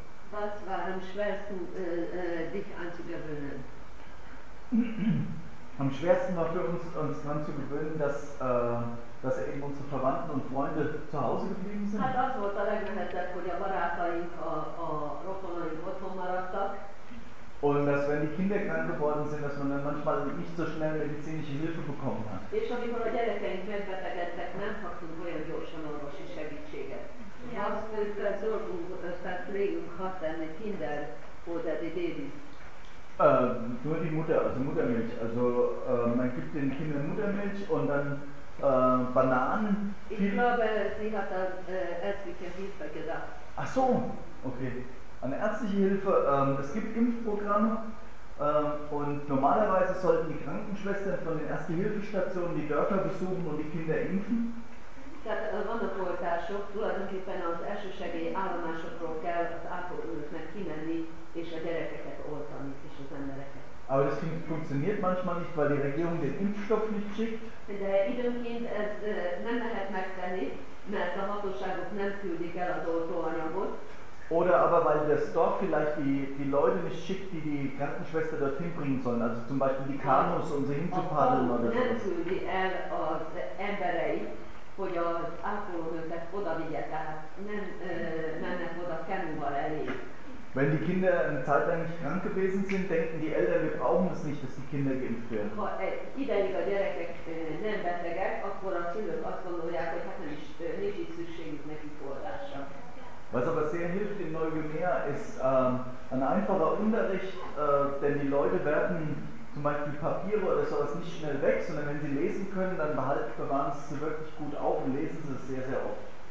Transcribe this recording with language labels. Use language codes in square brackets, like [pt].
[de] Was war am schwersten, dich anzugewöhnen? Am schwersten war für uns daran zu gewöhnen, dass eben unsere Verwandten und Freunde zu Hause geblieben sind. [hu] Hát az volt a legnehezebb, hogy a barátaink, a rokonaink otthon maradtak. [de] Und dass, wenn die Kinder krank geworden sind, dass man dann manchmal nicht so schnell medizinische Hilfe bekommen hat. [hu] És amikor a gyerekeink megbetegedtek, nem kaptunk olyan gyorsan orvosi segítséget. Ja. Azt felzorgunk, tehát régünk hat lenni Kinder, oder die Babys. [de] Nur die Mutter, also Muttermilch. Also man gibt den Kindern Muttermilch und dann Bananen. Ich glaube, sie hat an ärztliche Hilfe gedacht. Ach so, okay. An ärztliche Hilfe, es gibt Impfprogramme und normalerweise sollten die Krankenschwestern von den Erste-Hilfe-Stationen die Dörfer besuchen und die Kinder impfen. [hu] Tehát vannak oltások, tulajdonképpen az elsősegély állomásokról kell az ápolóknak kimenni és a gyerekeket oltani és az embereket. [de] Aber das funktioniert manchmal nicht, weil die Regierung den Impfstoff nicht schickt. [hu] De időnként ez nem lehet megtenni, mert a hatóságok nem küldik el az oltóanyagot. [de] Oder aber weil das Dorf vielleicht die Leute nicht schickt, die die Krankenschwester dorthin bringen sollen. Also zum Beispiel die Kanus, um sie hinzupaddeln oder so. [hu] Nem küldi el az emberei, hogy az ápolónőket oda vigye, tehát nem mennek oda kenúval elé. [de] Wenn die Kinder eine Zeit lang nicht krank gewesen sind, denken die Eltern, wir brauchen es nicht, dass die Kinder geimpft werden. [hu] Ha ideig a gyerekek nem betegek, akkor a szülők azt gondolják, hogy hát nincs itt szükségük nekik oltásra. [de] Was aber sehr hilft in Neuguinea ist ein einfacher Unterricht, denn die Leute werfen zum Beispiel Papiere oder sowas nicht schnell weg, sondern wenn sie lesen können, dann bewahren sie es wirklich gut auf und lesen sie es sehr, sehr oft.